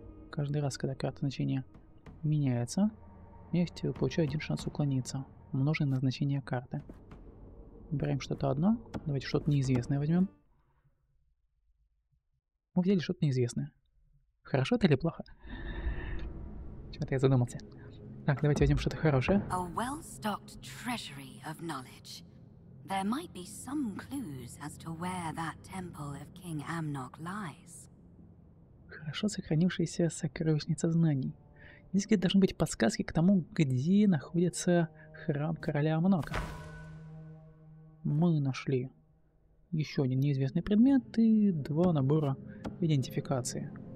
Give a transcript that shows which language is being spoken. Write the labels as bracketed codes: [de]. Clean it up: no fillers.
[ru] Каждый раз, когда карта значения меняется, вместе вы получаете один шанс уклониться, умноженный на значение карты. Выбираем что-то одно. Давайте что-то неизвестное возьмем. Мы взяли что-то неизвестное. Хорошо это или плохо? Чего-то я задумался. Так, давайте возьмем что-то хорошее. [en] A well-stocked treasury of knowledge. There might be some clues as to where that temple of King Amnok lies. [ru] Хорошо сохранившаяся сокровищница знаний. Здесь где-то должны быть подсказки к тому, где находится храм короля Амнока. Мы нашли еще один неизвестный предмет и два набора идентификации.